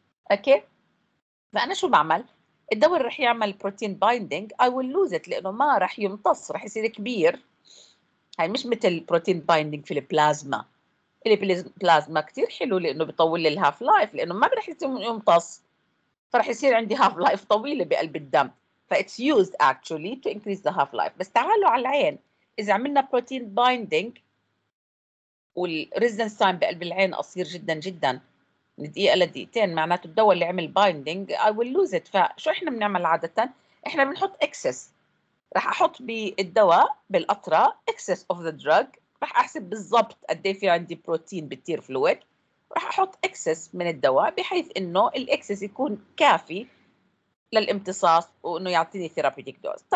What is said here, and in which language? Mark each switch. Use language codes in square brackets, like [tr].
[ar] اوكي فانا شو بعمل؟ الدواء رح يعمل protein binding [en] I will lose it [ar] لأنه ما رح يمتص، رح يصير كبير. هاي مش مثل protein binding في البلازما، اللي في البلازما كتير حلو لأنه بيطول لي half life لأنه ما رح يمتص، فرح يصير عندي half life طويلة بقلب الدم. [en] ف it's used actually to increase the half life. [ar] بس تعالوا على العين، إذا عملنا protein binding والresistance time بقلب العين قصير جدا جدا من دقيقة لدقيقتين، معناته الدواء اللي عمل binding [en] I will lose it. [ar] فشو احنا بنعمل عادة؟ احنا بنحط excess، رح احط بالدواء بالقطرة [en] excess of the drug، [ar] رح احسب بالضبط قدي في عندي بروتين بالتير فلويد، رح احط excess من الدواء بحيث انه الاكسس يكون كافي للامتصاص وانه يعطيني therapeutic dose.